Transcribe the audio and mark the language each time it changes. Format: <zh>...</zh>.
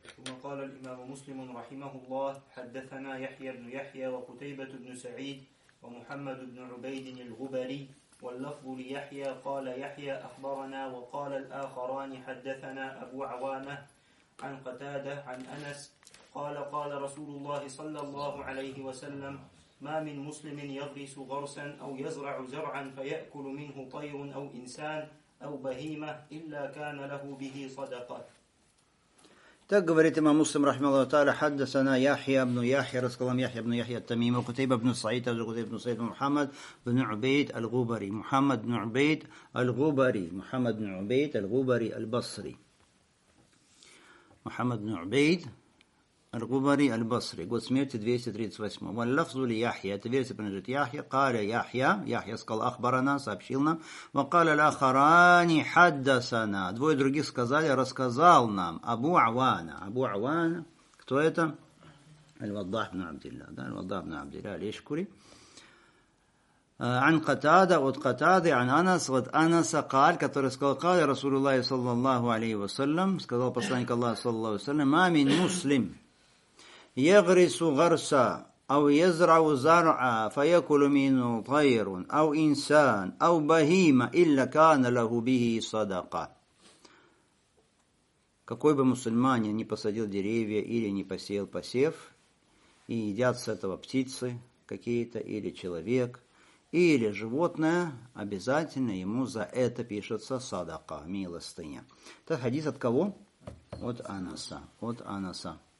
<ar>وقال الإمام مسلم رحمه الله حدثنا يحيى بن يحيى وقتيبة بن سعيد ومحمد بن عبيد الغبري واللفظ ليحيى قال يحيى أخبرنا وقال الآخران حدثنا أبو عوانة عن قتادة عن أنس قال قال رسول الله صلى الله عليه وسلم ما من مسلم يغرس غرسا أو يزرع زرعا فيأكل منه طير أو إنسان أو بهيمة إلا كان له به صدقة.</ar> <ru>Так говорит имам Муслим, рахмаллаху тааля, хаддасана Яхья ибн Яхья, рассказал Яхья ибн Яхья ат-Тамим, Кутейба ибн Саид, Кутейба ибн Саид, Мухаммад ибн Убейд аль-Губари, Мухаммад ибн Убейд аль-Губари, Мухаммад ибн Убейд аль-Губари аль-Басри. Мухаммад ибн Убейд аль-Губари аль-Басри. Год смерти 238. Валлафзу ли Яхья, это версия принадлежит Яхья, каля Яхья, Яхья сказал, ахбарана, сообщил нам, вакаля лахарани хаддасана, двое других сказали, рассказал нам, Абу Авана, кто это? Аль-Ваддах ибн Абдилля, да, Аль-Ваддах ибн Абдилля, аль-Ишкури.</ru> <ar>عن قتادة وقتادة عن أنس وأنس قال</ar> <ru>который сказал</ru> <ar>قال رسول الله صلى الله عليه وسلم</ar> <ru>сказал посланник</ru> <ar>الله صلى الله عليه وسلم ما من مسلم يغرس غرسا أو يزرع زرعا فيأكل منه طير أو إنسان أو بهيمة إلا كان له به صدقة.</ar> <ru>Какой бы мусульманин не посадил деревья или не посеял посев и едят с этого птицы какие-то или человек или животное, обязательно ему за это пишется садака, милостыня. Это хадис от кого? От Анаса. От Анаса.</ru>